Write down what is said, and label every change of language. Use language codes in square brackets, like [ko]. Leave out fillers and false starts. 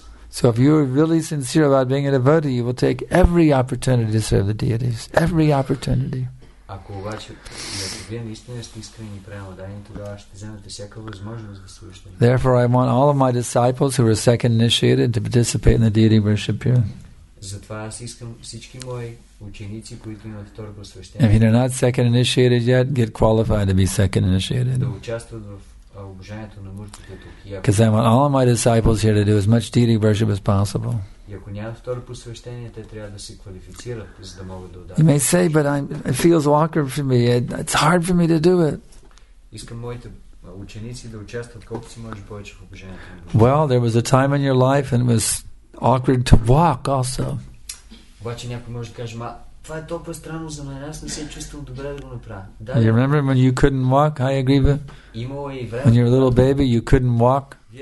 [en] So if you are really sincere about being a devotee, you will take every opportunity to serve the deities, every opportunity. [bg] Ако обаче, ако вие наистина сте искрени и прямо дайни, тогава ще вземете всяка възможност да слушате. [en] Therefore, I want all of my disciples who are second initiated to participate in the deity worship here. [bg] Затова аз искам всички мои ученици, които имат второ посвещение. [en] If you're not second initiated yet, get qualified to be second initiated. [bg] Да участват в обожанието на муртите тук. [en] Because I want all of my disciples here to do as much deity worship as possible. [bg] И ако няма второ посвещение, те трябва да се квалифицират, за да могат да отдават. [en] You may say, but it feels awkward for me. It's hard for me to do it. [bg] Искам моите ученици да участват колкото си може повече в обожанието. [en] Well, there was a time in your life and it was awkward to walk also. [bg] Обаче някой може да каже, ма, това е толкова странно за мен, аз не се чувствам добре да го направя. Да, [en] you remember when you couldn't walk, Hayagriva? [bg] Имало и време. [en] When you were a little baby, you couldn't walk.